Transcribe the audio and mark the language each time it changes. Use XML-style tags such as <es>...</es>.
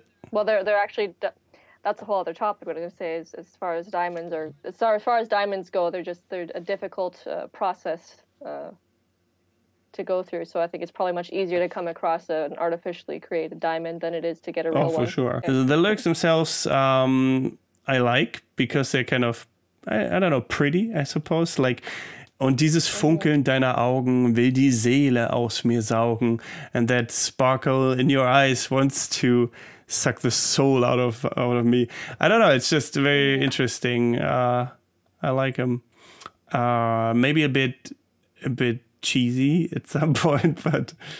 <en>Well, they're actually, that's a whole other topic. What I'm going to say is, as far as diamonds are, as far as diamonds go, they're a difficult process to go through. So I think it's probably much easier to come across an artificially created diamond than it is to get a real one. Oh, for sure. Yeah. The lyrics themselves, I like, because they're kind of, I don't know, pretty, I suppose.</en> <de>Like, und dieses Funkeln deiner Augen will die Seele aus mir saugen.</de> <en>And that sparkle in your eyes wants to suck the soul out of me. I don't know, it's just very interesting. I like him. Maybe a bit cheesy at some point, but</en>